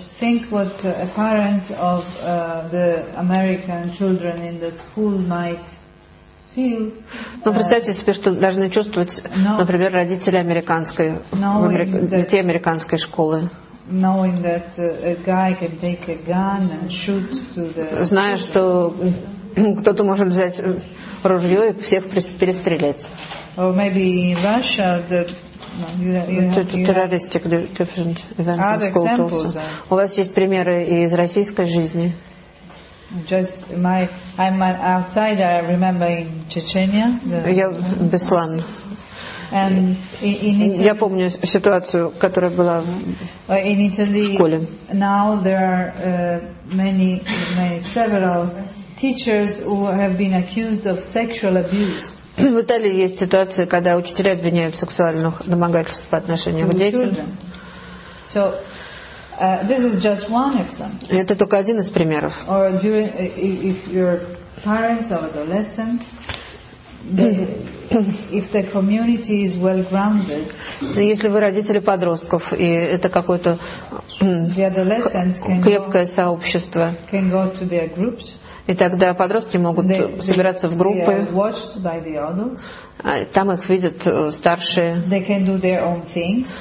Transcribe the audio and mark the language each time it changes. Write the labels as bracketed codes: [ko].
[en] Think what a parent of the American children in the school might feel. [ru] Ну представьте себе, что должны чувствовать, например, родители американской, детей американской школы. [en] Knowing that a guy can take a gun and shoot to the. [ru] Зная, что кто-то может взять ружье и всех перестрелять. [en] Or maybe in Russia the. Террористик, different events in school. Other examples. [ru] У вас есть примеры из российской жизни? [en] Just my, I'm an outsider. I remember in Chechnya. [ru] Я Беслан. [en] And in Italy, [ru] я помню ситуацию, которая была [en] in Italy, [ru] в школе. [en] Now there are many several teachers who have been accused of sexual abuse. [ru] В Италии есть ситуация, когда учителя обвиняют в сексуальных домогательствах по отношению к детям. [en] So this is just one example. [ru] Это только один из примеров. [en] Or during, if your parents or adolescents. If the community is well grounded, [ru] если вы родители подростков и это какое-то крепкое сообщество, [en] can go to their groups, [ru] и тогда подростки могут собираться в группы, [en] they are watched by the adults, [ru] там их видят старшие, [en] they can do their own things,